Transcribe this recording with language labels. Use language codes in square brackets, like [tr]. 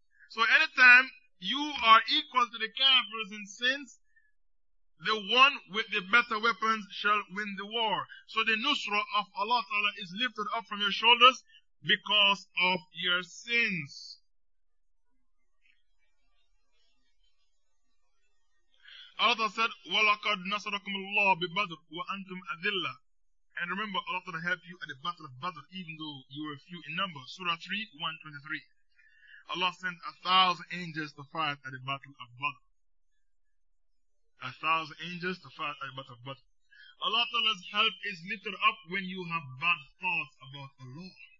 [en] So anytime you are equal to the kafirs and sins, the one with the better weapons shall win the war. So the Nusra of Allah Ta'ala is lifted up from your shoulders because of your sins. Allah Ta'ala said, [ar] وَلَقَدْ نَصَرَكُمُ اللَّهُ بِبَدْرُ وَأَنْتُمْ أَذِلَّ. [en] And remember, Allah Ta'ala helped you at the Battle of Badr, even though you were few in number. Surah 3, 123. Allah sent 1,000 angels to fight at the Battle of Badr. 1,000 angels to fight at the Battle of Badr. Allah Ta'ala's help is lifted up when you have bad thoughts about Allah.